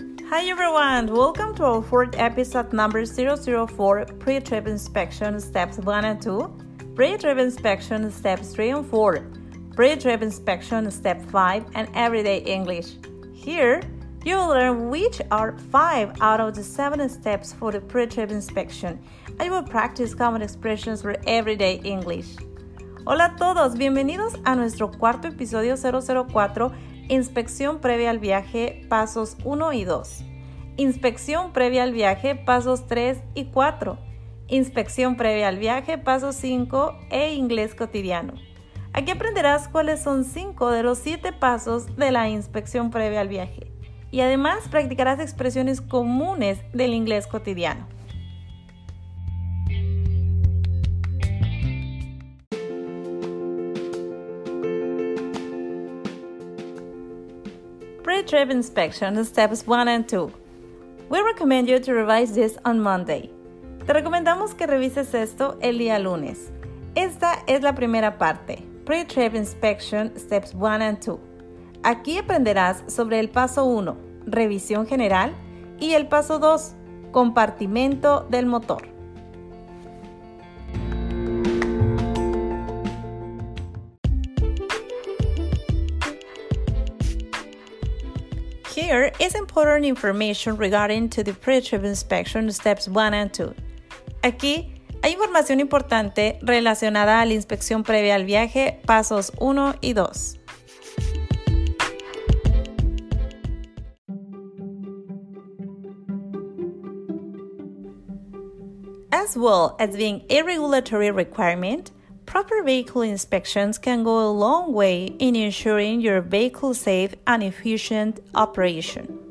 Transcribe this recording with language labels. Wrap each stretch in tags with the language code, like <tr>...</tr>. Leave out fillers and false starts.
<en>Hi everyone, welcome to our fourth episode number 004, Pre-Trip Inspection Steps 1 and 2, Pre-Trip Inspection Steps 3 and 4, Pre-Trip Inspection Step 5, and Everyday English. Here, you will learn which are 5 out of the 7 steps for the pre-trip inspection. I will practice common expressions for everyday English.</en> <es>Hola a todos, bienvenidos a nuestro cuarto episodio 004, Inspección previa al viaje, pasos 1 y 2. Inspección previa al viaje, pasos 3 y 4. Inspección previa al viaje, pasos 5 e inglés cotidiano. Aquí aprenderás cuáles son 5 de los 7 pasos de la inspección previa al viaje. Y además practicarás expresiones comunes del inglés cotidiano.</es> <en>Pre-trip inspection steps 1 and 2. We recommend you to revise this on Monday.</en> <es>Te recomendamos que revises esto el día lunes. Esta es la primera parte.</es> <en>Pre-trip inspection steps 1 and 2.</en> <es>Aquí aprenderás sobre el paso 1. Revisión general y el paso 2, compartimento del motor.</es> <en>Here is important information regarding to the pre-trip inspection steps 1 and 2.</en> <es>Aquí hay información importante relacionada a la inspección previa al viaje, pasos 1 y 2.</es> <en>As well as being a regulatory requirement, proper vehicle inspections can go a long way in ensuring your vehicle safe and efficient operation.</en>